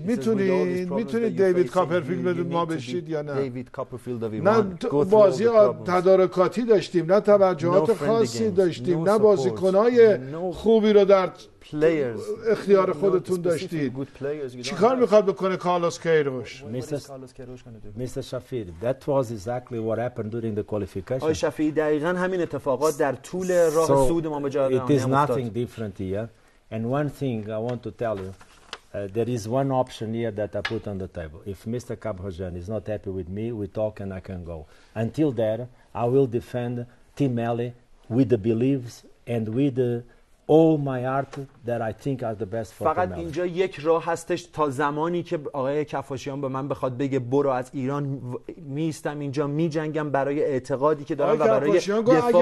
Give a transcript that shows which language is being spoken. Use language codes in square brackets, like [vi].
[fa] میتونید دیوید کاپرفیلد بدون ما بشید یا نه؟ نه بازی تدارکاتی داشتیم، نه توجهات خاصی داشتیم، نه بازیکنهای خوبی رو در اختیار خودتون داشتید. چی کار میخواد بکنه کارلوس کیروش؟ [en] Mister شفیر، that was exactly what happened during the qualification. [fa] آقای شفیر، دقیقا همین اتفاقات در طول راه صعود امام جاده افتاد. [en] It is nothing different here. And one thing I want to tell you, there is one option here that I put on the table. If Mr. Kaphojan is not happy with me, we talk and I can go. Until there, I will defend Tim Alley with the beliefs and with the all my heart that I think are the best for him. [fa] فقط اینجا یک راه هستش تا زمانی که آقای کفاشیان به من بخواد بگه برو از ایران، میستم اینجا میجنگم برای اعتقادی که دارم و برای دفاع از 80 میلیون.